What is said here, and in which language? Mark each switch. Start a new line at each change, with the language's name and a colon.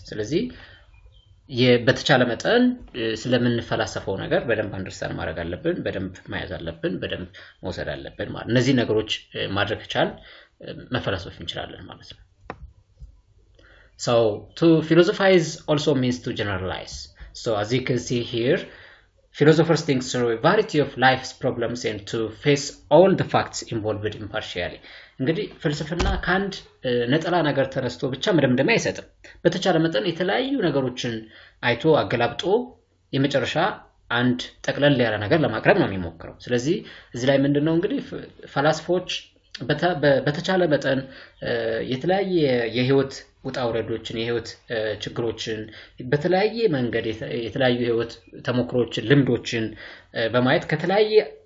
Amharic: ስለዚህ በተቻለ መጠን ስለምንፈላሰፈው ነገር በደንብ አንደርስታንድ ማድረግ አለብን፣ በደንብ መያዝ አለብን፣ በደንብ መውሰድ አለብን ማለት ነው። እነዚህ ነገሮች ማድረግ ከቻል መፈላሰፍ እንችላለን ማለት ነው።
English: So to philosophize also means to generalize. So as you can see here, philosophers think through a variety of life's problems and to face all the facts involved impartially.
Amharic: እንግዲህ ፍልስፍና ካንድ ነጠላ ነገር ተረስቶ ብቻ መደምደም አይሰጥም። በተቻለ መጠን የተለያዩ ነገሮችን አይቶ አገላብጦ የመጨረሻ አንድ ጠቅለል ያለ ነገር ለማቅረብ ነው የሚሞክረው። ስለዚህ እዚህ ላይ ምንድነው እንግዲህ ፍልስፎች በተቻለ መጠን የተለያየ የህይወት ውጣውረዶችን የህይወት ችግሮችን በተለያየ መንገድ የተለያየ ህይወት ተሞክሮችን ልምዶችን በማየት ከተለያየ